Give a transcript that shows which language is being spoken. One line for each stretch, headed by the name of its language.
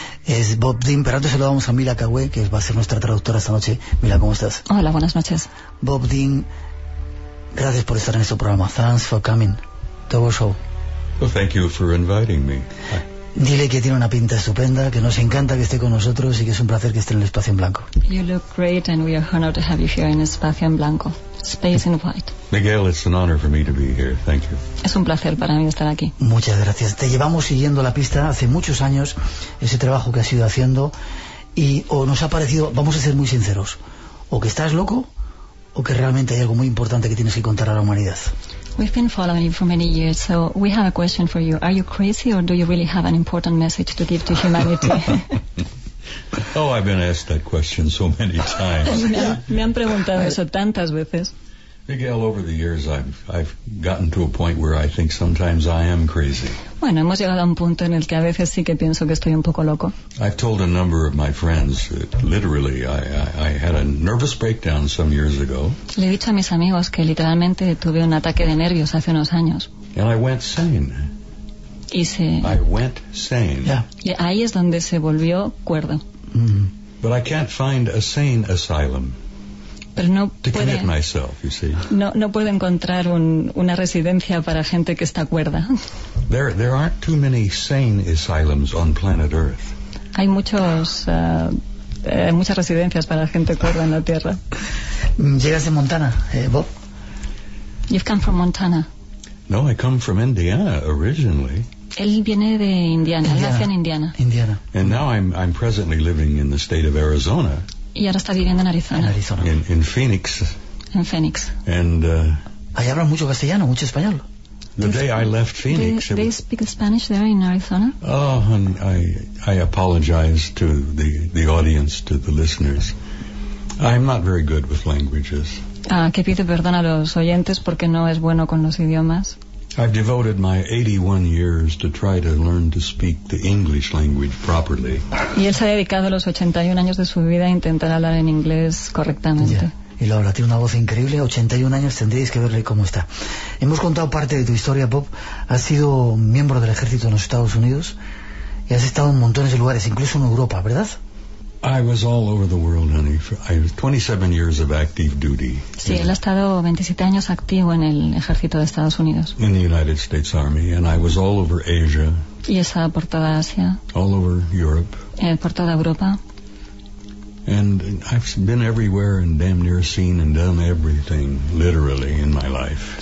Spanish: Es Bob Dean, pero antes se lo damos a Mila Cagüe, que va a ser nuestra traductora esta noche. Mila, ¿cómo estás? Hola, buenas noches. Bob Dean, gracias por estar en nuestro programa.
English: Thanks for coming to our show. Well, thank you for inviting me.
Spanish: Dile que tiene una pinta estupenda, que nos encanta que esté con nosotros y que es un placer que esté en el Espacio en Blanco.
English: You look great and we are honored to have you here in Espacio en Blanco. Space in white. Miguel, it's an honor for me to be here. Thank you.
Spanish: Es un placer para mí estar aquí. Muchas gracias. Te llevamos siguiendo la pista hace muchos años, ese trabajo que has ido haciendo, y o nos ha parecido, vamos a ser muy sinceros, o que estás loco o que realmente hay algo muy importante que tienes que contar a la humanidad.
English: We've been following you for many years, so we have a question for you. Are you crazy or do you really have an important message to give to humanity? Oh, I've been asked that question so many times.
Spanish: me han preguntado eso tantas veces.
English: Miguel, over the years I've gotten to a point where I think sometimes I am crazy.
Spanish: Bueno, hemos llegado a un punto en el que a veces sí que pienso que estoy un poco loco.
English: I've told a number of my friends that literally I had a nervous breakdown some years ago.
Spanish: Le he dicho a mis amigos que literalmente tuve un ataque de nervios hace unos años.
English: And I went sane. I went sane.
Spanish: Yeah. Y ahí es donde se volvió cuerdo. Mm-hmm.
English: But I can't find a sane asylum.
Spanish: Pero no
English: to puede, commit myself, you see.
Spanish: No puedo encontrar una residencia para gente que está cuerda.
English: There aren't too many sane asylums on planet Earth.
Spanish: Hay muchas residencias para gente cuerda en la Tierra. Llegas de Montana, Bob.
English: You've come from Montana. No, I come from Indiana originally.
Spanish: Él viene de Indiana. Él nació en Indiana.
English: Indiana. And now I'm presently living in the state of Arizona.
Spanish: Y ahora está viviendo en Arizona.
English: In Phoenix.
Spanish: En Phoenix.
English: And
Spanish: ahí hablan mucho castellano, mucho español.
English: The day I left Phoenix. Do they speak Spanish there in Arizona? Oh, and I apologize to the audience, to the listeners. I'm not very good with languages.
Spanish: Ah, que pide perdón a los oyentes porque no es bueno con los idiomas.
English: I've devoted my 81 years to try to learn to speak the English language properly.
Spanish: Y él se ha dedicado los 81 años de su vida a intentar hablar en inglés correctamente.
English: Yeah.
Spanish: Y Laura tiene una voz increíble, 81 años, tendríais que verle cómo está. Hemos contado parte de tu historia, Bob. Has sido miembro del ejército en los Estados Unidos y has estado en montones de lugares, incluso en Europa, ¿verdad?
English: I was all over the world, honey. I was 27 years of active duty.
Spanish: Sí, él ha estado 27 años activo en el ejército de Estados Unidos.
English: In the United States Army, and I was all over Asia.
Spanish: Y estaba por toda Asia.
English: All over Europe.
Spanish: Por toda Europa.
English: And I've been everywhere and damn near seen and done everything, literally, in my life.